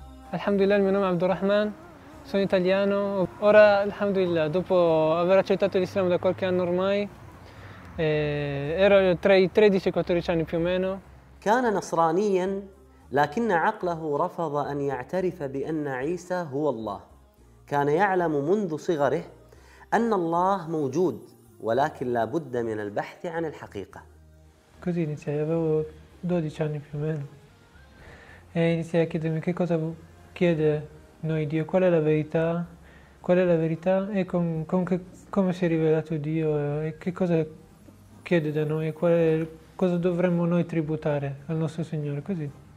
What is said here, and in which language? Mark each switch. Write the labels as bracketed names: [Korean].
[Italian] Alhamdulillah, il mio nome è Abdulrahman, sono italiano. Ora, alhamdulillah, dopo aver accettato l'Islam da qualche anno ormai, ero tra i 13 e 14 anni più o meno. [Arabic] كان نصرانيا لكن عقله رفض ان يعترف بان عيسى هو الله. كان يعلم منذ صغره ان الله موجود ولكن لا بد من البحث عن الحقيقه. [Italian] Così iniziai, avevo 12 anni più o meno. E iniziai a chiedermi che cosa chiede noi Dio, qual è la verità, qual è la verità e come si è rivelato Dio e che cosa chiede da noi e cosa dovremmo noi tributare al nostro Signore, così.